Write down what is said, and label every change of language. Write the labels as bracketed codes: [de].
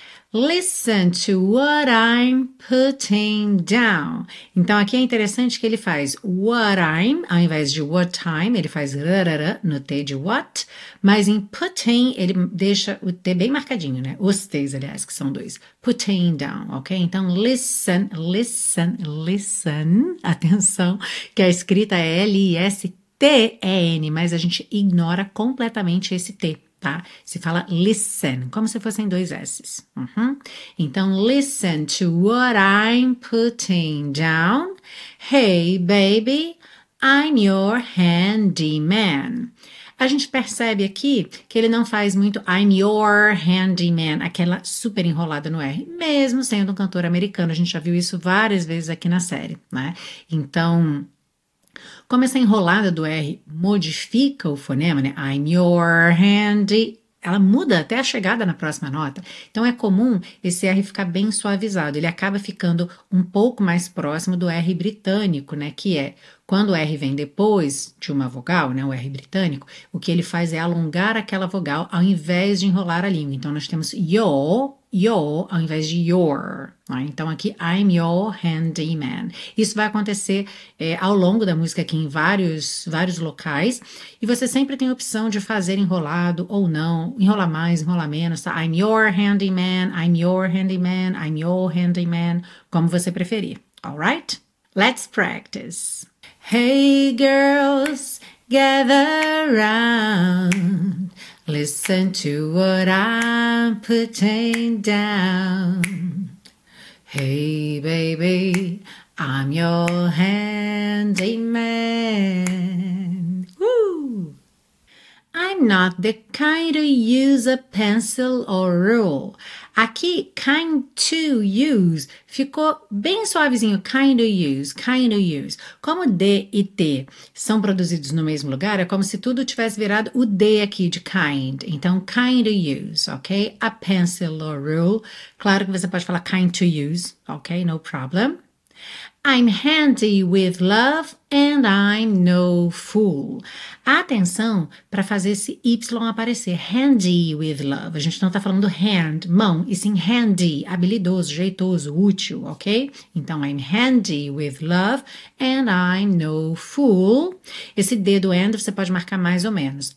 [en] Listen to what I'm putting down. [pt] Então aqui é interessante que ele faz [en] what I'm, [pt] ao invés de [en] what time, [pt] ele faz rarara no T de what. Mas em putting, ele deixa o T bem marcadinho, né? Os T's, aliás, que são dois. [en] Putting down, [pt] ok? Então, [en] listen, listen, listen. [pt] Atenção, que a escrita é L-I-S-T-E-N, mas a gente ignora completamente esse T, tá? Se fala listen, como se fossem dois S's. Uhum. Então, [en] listen to what I'm putting down. Hey, baby, I'm your handyman. [pt] A gente percebe aqui que ele não faz muito [en] I'm your handyman, [pt] aquela super enrolada no R, mesmo sendo um cantor americano. A gente já viu isso várias vezes aqui na série, né? Então, como essa enrolada do R modifica o fonema, né? [en] I'm your handy, [pt] ela muda até a chegada na próxima nota. Então, é comum esse R ficar bem suavizado. Ele acaba ficando um pouco mais próximo do R britânico, né? Que é... Quando o R vem depois de uma vogal, né, o R britânico, o que ele faz é alongar aquela vogal ao invés de enrolar a língua. Então, nós temos your, your, ao invés de your. Né? Então, aqui, [en] I'm your handyman. [pt] Isso vai acontecer ao longo da música aqui em vários locais. E você sempre tem a opção de fazer enrolado ou não. Enrolar mais, enrolar menos. Tá? [en] I'm your handyman, I'm your handyman, I'm your handyman. [pt] Como você preferir. [en] Alright? Let's practice. Hey girls, gather round, listen to what I'm putting down. Hey baby, I'm your handyman. Woo! I'm not the kind to use a pencil or rule. [pt] Aqui, [en] kind to use, [pt] ficou bem suavezinho, [en] kind of use. [pt] Como D e T são produzidos no mesmo lugar, é como se tudo tivesse virado o D aqui de kind. Então, [en] kind of use, [pt] ok? [en] A pencil or rule. [pt] Claro que você pode falar [en] kind to use, [pt] ok? [en] No problem. I'm handy with love and I'm no fool. [pt] Atenção para fazer esse Y aparecer. [en] Handy with love. [pt] A gente não está falando hand, mão, e sim handy, habilidoso, jeitoso, útil, ok? Então, [en] I'm handy with love and I'm no fool. [pt] Esse dedo and você pode marcar mais ou menos.